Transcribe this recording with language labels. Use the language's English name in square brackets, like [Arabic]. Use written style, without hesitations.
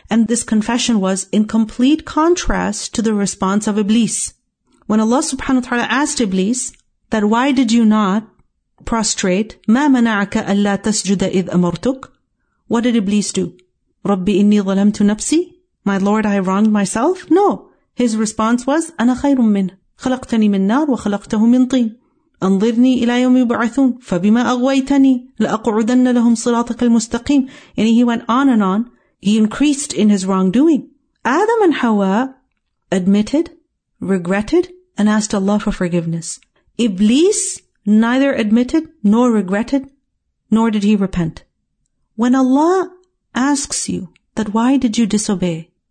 [English] And this confession was in complete contrast to the response of Iblis. When Allah subhanahu wa ta'ala asked Iblis that why did you not prostrate, [Arabic] ما منعك ألا تسجد إذ أمرتك, [English] what did Iblis do? [Arabic] رَبِّ إِنِّي ظَلَمْتُ نَفْسِي, [English] my Lord, I wronged myself? No. His response was, [Arabic] أَنَا خَيْرٌ مِّنْهُ, خَلَقْتَنِي مِنْ نَارُ وَخَلَقْتَهُ مِنْ طِينٍ, أَنظِرْنِي إِلَى يَوْمِ يُبْعَثُونَ فَبِمَا أَغْوَيْتَنِي لَأَقْعُدَنَّ لَهُمْ صِرَاطَكَ الْمُسْتَقِيمَ. [English] And he went on and on. He increased in his wrongdoing. Adam and Hawa admitted, regretted, and asked Allah for forgiveness. Iblis neither admitted nor regretted, nor did he repent. When Allah asks you that why did you disobey?